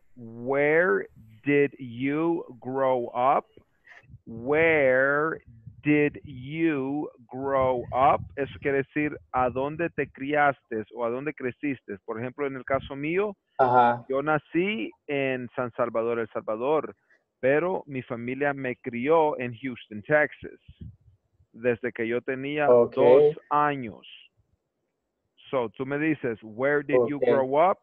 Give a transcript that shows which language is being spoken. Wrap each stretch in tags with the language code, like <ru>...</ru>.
<en>Where did you grow up? Where did you grow up,</en> <es>eso quiere decir a dónde te criaste o a dónde creciste. Por ejemplo, en el caso mío, ajá, yo nací en San Salvador, El Salvador, pero mi familia me crió en Houston, Texas, desde que yo tenía dos años.</es> <en>So,</en> <es>tú me dices,</es> <en>where did you grow up?</en>